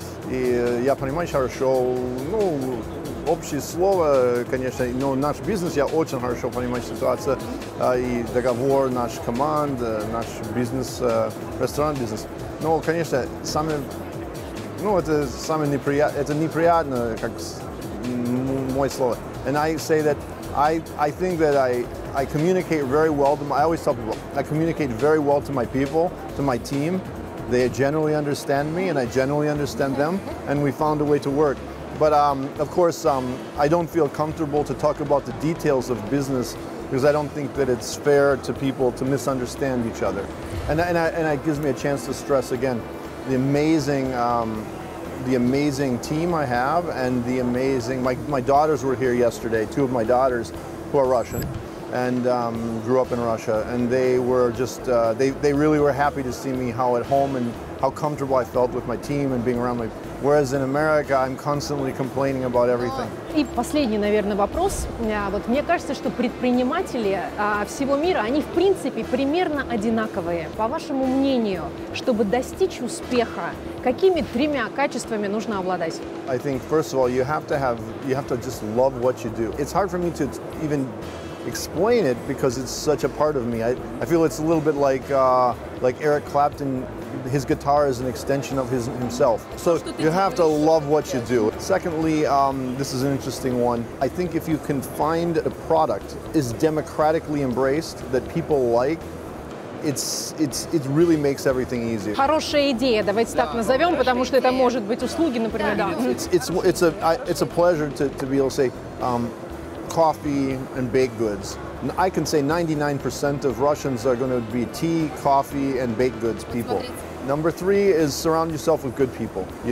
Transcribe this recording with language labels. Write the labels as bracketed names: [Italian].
[Russian] И я понимаю хорошо, ну, общие слова, конечно, но наш бизнес, я очень хорошо понимаю ситуацию, и договор, наш команд, наш бизнес, ресторан бизнес. Но, конечно, это неприятно, как мой слово. [English] And I say that I think that I communicate very well to my, I always tell people, I communicate very well to my people, to my team. They generally understand me and I generally understand them, and we found a way to work. But of course, I don't feel comfortable to talk about the details of business because I don't think that it's fair to people to misunderstand each other. And it gives me a chance to stress again the amazing team I have and the amazing, my daughters were here yesterday, two of my daughters who are Russian and grew up in Russia, and they were just, they really were happy to see me, how at home and how comfortable I felt with my team and being around my, whereas in America I'm constantly complaining about everything. [Russian] И последний, наверное, вопрос. Вот мне кажется, что предприниматели всего мира, они в принципе примерно одинаковые. По вашему мнению, чтобы достичь успеха, какими тремя качествами нужно обладать? [English] I think, first of all, you have to just love what you do. It's hard for me to even explain it because it's such a part of me. I feel it's a little bit like Eric Clapton his guitar is an extension of himself. So you have to love what you do. Secondly, this is an interesting one. I think if you can find a product is democratically embraced that people like, it really makes everything easier. [Russian] Хорошая идея, давайте так назовем, потому что это может быть услуги, например, да. [English] It's a pleasure to be able to say coffee and baked goods. I can say 99% of Russians are going to be tea, coffee, and baked goods people. Number three is surround yourself with good people.